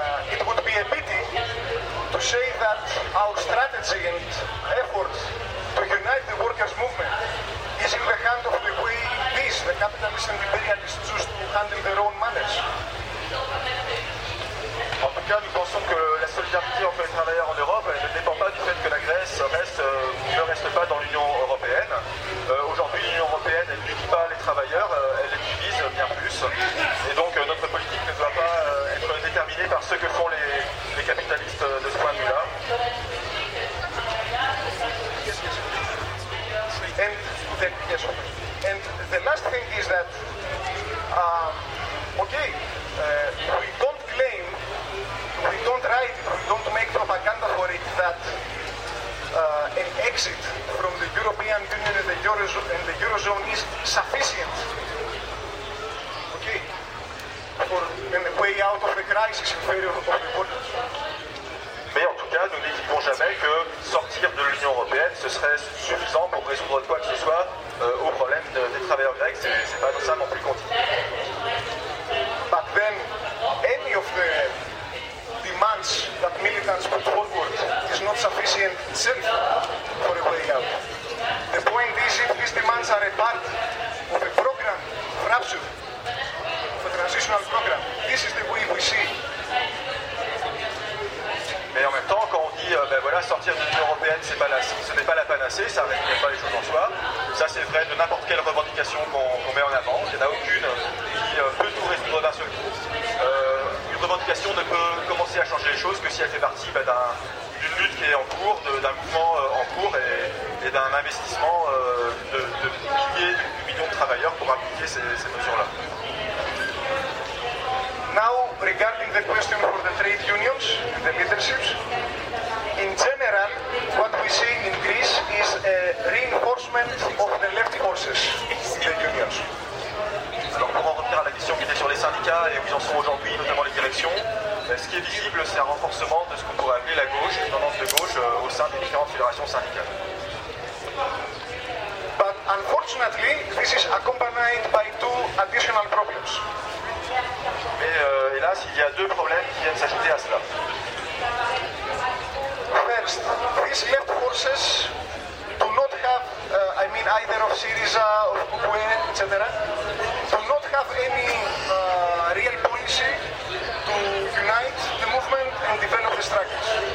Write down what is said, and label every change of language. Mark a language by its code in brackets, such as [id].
[en] It would be a pity to say that our strategy and efforts to unite the workers' movement is in the hand of the way these, the capitalists and imperialists, choose to handle their own manners. [fr] En tout cas, nous pensons que la solidarité entre les travailleurs en Europe ne dépend pas du fait que la Grèce reste ou ne reste pas dans l'Union européenne. Aujourd'hui, l'Union européenne, elle n'unit pas les travailleurs, elle les divise bien plus. Et donc, notre politique ne doit pas être déterminée par ce que font les capitalistes de ce point de vue-là. [en] And the last thing is that, we don't claim, we don't write, we don't make propaganda for it that an exit from the European Union and the Eurozone is sufficient, okay, for a way out of the crisis in favor of the borders. [fr] Mais en tout cas, nous n'écrivons jamais que sortir de l'Union européenne, ce serait suffisant pour résoudre quoi que ce soit au problème des travailleurs grecs. Ce n'est pas ça non plus qu'on dit. [en] But then, any of the demands that militants put forward is not sufficient itself for a way out. The point is, if these demands are a part of a program, perhaps a transitional program, this is the way we see. [fr] Mais en même temps, quand on dit ben voilà, sortir de l'Union européenne, ce n'est pas la panacée, ça ne réglera pas les choses en soi. Ça, c'est vrai de n'importe quelle revendication qu'on met en avant. Il n'y en a aucune qui peut tout résoudre d'un seul coup. Une revendication ne peut commencer à changer les choses que si elle fait partie d'une lutte qui est en cours, d'un mouvement en cours et d'un investissement de milliers, de millions de travailleurs pour appliquer ces mesures-là. [en] Now, regarding the question for the trade unions and the leaderships, in general, what we see in Greece is a reinforcement of the left forces in the unions. [fr] Alors, pour en revenir à la question qui était sur les syndicats et où ils en sont aujourd'hui, notamment les directions, ce qui est visible, c'est un renforcement de ce qu'on pourrait appeler la gauche, une tendance de gauche au sein des différentes fédérations syndicales. [en] But unfortunately, this is accompanied by two additional problems. [fr] Mais hélas, il y a deux problèmes qui viennent s'ajouter à cela. [en] First, these left forces do not have, either of Syriza or Kukwe, etc., do not have any real policy to unite the movement and develop the struggles.